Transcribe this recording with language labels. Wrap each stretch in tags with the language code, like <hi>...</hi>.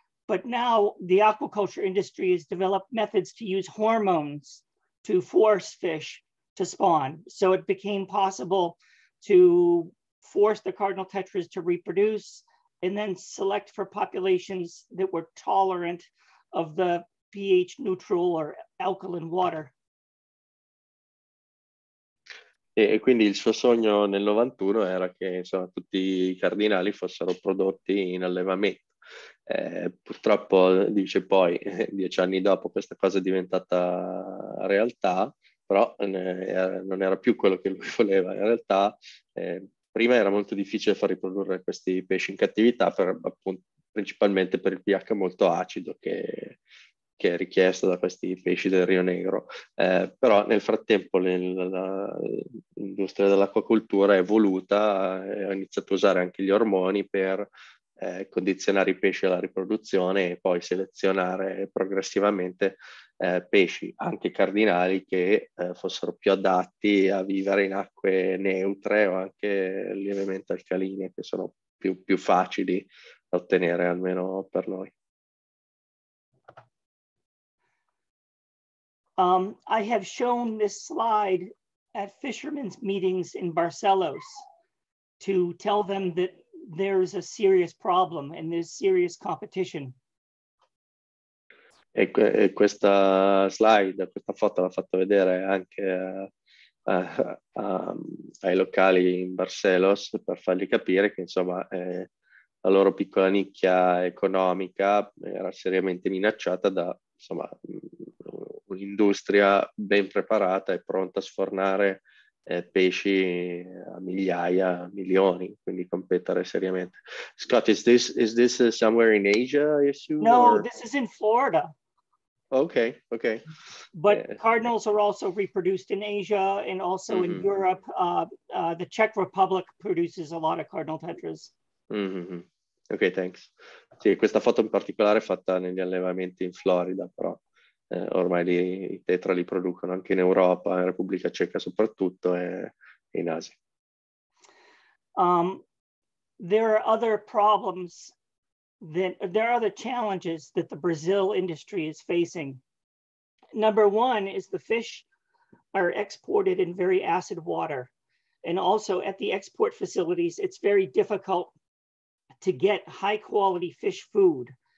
<en>But now the aquaculture industry has developed methods to use hormones to force fish to spawn. So it became possible to force the cardinal tetras to reproduce and then select for populations that were tolerant of the pH neutral or alkaline water.</en> <it>E quindi il suo sogno nel 91 era che insomma tutti i cardinali fossero prodotti in allevamento. Purtroppo, dice poi, 10 anni dopo questa cosa è diventata realtà, però non era più quello che lui voleva. In realtà, prima era molto difficile far riprodurre questi pesci in cattività, principalmente per il pH molto acido che è richiesto da questi pesci del Rio Negro. Però nel frattempo l'industria dell'acquacoltura è evoluta e ha iniziato a usare anche gli ormoni per condizionare i pesci alla riproduzione e poi selezionare progressivamente pesci, anche cardinali, che fossero più adatti a vivere in acque neutre o anche lievemente alcaline, che sono più facili da ottenere, almeno per noi.</it> <en>I have shown this slide at fishermen's meetings in Barcelos to tell them that there's a serious problem and there's serious competition.</en> <it>E questa slide, questa foto l'ha fatto vedere anche ai locali in Barcelos per fargli capire che insomma la loro piccola nicchia economica era seriamente minacciata da insomma un'industria ben preparata e pronta a sfornare pesci a migliaia, milioni, quindi competere seriamente.</it> <en>Scott, is this somewhere in Asia, I assume? No, or? This is in Florida. Okay, okay. But cardinals are also reproduced in Asia and also mm-hmm. in Europe. The Czech Republic produces a lot of cardinal tetras. Mm-hmm. Okay, thanks.</en> <it>Sì, questa foto in particolare è fatta negli allevamenti in Florida, però ormai i tetra li producono anche in Europa, in Repubblica Ceca soprattutto e in Asia.</it> <en>There are other problems. Then there are the challenges that the Brazil industry is facing. Number one is the fish are exported in very acid water. And also at the export facilities, it's very difficult to get high quality fish food.</en>